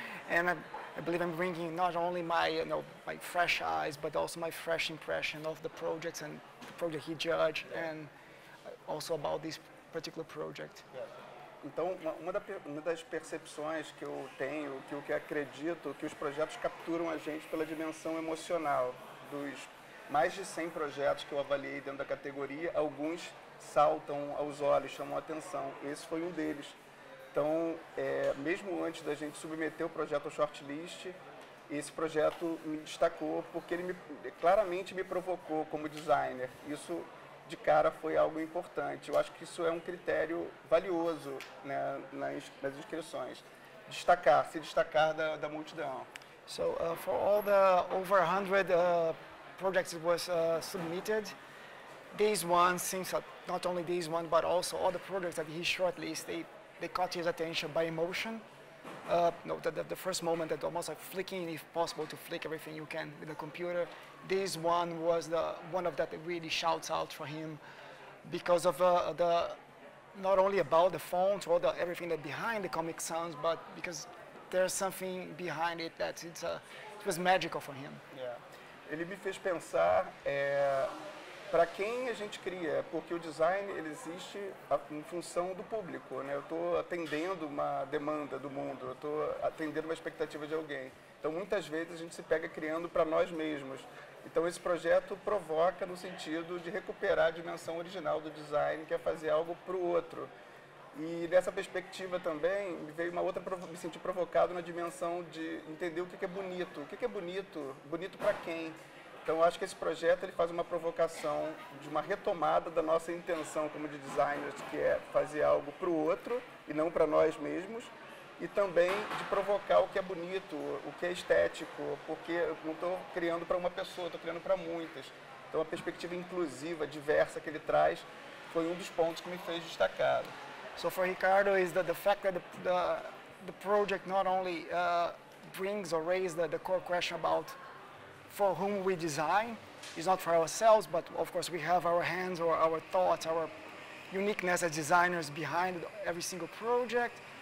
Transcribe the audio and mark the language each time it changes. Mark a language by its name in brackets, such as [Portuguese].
[English] And I believe I'm bringing not only my fresh eyes, but also my fresh impression of the projects and the project he judged, and also about this particular project. [Portuguese] Então, uma das percepções que eu tenho, que eu acredito, que os projetos capturam a gente pela dimensão emocional. Dos mais de 100 projetos que eu avaliei dentro da categoria, alguns saltam aos olhos, chamam a atenção. Esse foi um deles. Então, mesmo antes da gente submeter o projeto ao shortlist, esse projeto me destacou porque ele claramente me provocou como designer. Isso, de cara, foi algo importante. Eu acho que isso é um critério valioso, né, nas inscrições. Destacar, se destacar da multidão. [English] So, for all the over 100 projects that was submitted, this one seems not only this one, but also all the projects that he shortlisted, they caught his attention by emotion. The first moment that almost like flicking, if possible, to flick everything you can with the computer. This one was the one of that really shouts out for him because of the not only about the font or everything that behind the Comic Sans, but because there's something behind it that it was magical for him. Yeah. [Portuguese] Ele me fez pensar para quem a gente cria, porque o design ele existe em função do público, né? Eu estou atendendo uma demanda do mundo, eu estou atendendo uma expectativa de alguém. Então, muitas vezes, a gente se pega criando para nós mesmos. Então, esse projeto provoca no sentido de recuperar a dimensão original do design, que é fazer algo para o outro. E, dessa perspectiva também, me veio uma outra, me senti provocado na dimensão de entender o que é bonito. O que é bonito? Bonito para quem? Então, eu acho que esse projeto ele faz uma provocação de uma retomada da nossa intenção como de designers, que é fazer algo para o outro e não para nós mesmos, e também de provocar o que é bonito, o que é estético, porque eu não estou criando para uma pessoa, estou criando para muitas. Então, a perspectiva inclusiva, diversa que ele traz foi um dos pontos que me fez destacar. [English] So, for Ricardo, is the fact that the project not only brings or raises the core question about for whom we design, it's not for ourselves, but of course we have our hands or our thoughts, our uniqueness as designers behind every single project,